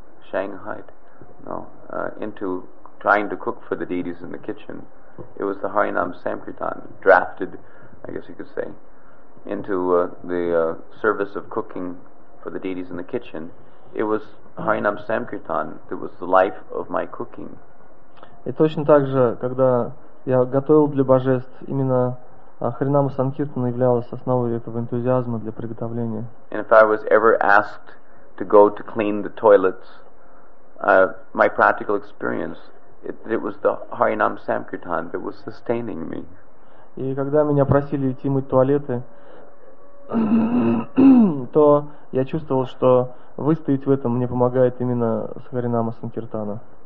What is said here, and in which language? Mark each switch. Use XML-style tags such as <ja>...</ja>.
<en>Shanghaied, no? Into trying to cook for the deities in the kitchen, it was the Harinam Samkirtan drafted, I guess you could say, into the service of cooking for the deities in the kitchen. It was Harinam Samkirtan that was the life of my cooking.</en> <ru>И точно так же, когда я готовил для божеств, именно Харинама Санкиртана являлась основой этого энтузиазма для приготовления.</ru> <en>And if I was ever asked to go to clean the toilets, my practical experience, it was the Harinam Samkirtan that was sustaining me.</en> <ru>И когда меня просили идти мыть туалеты, то я чувствовал, что выстоять в этом мне помогает именно Харинама Санкиртана.</ru>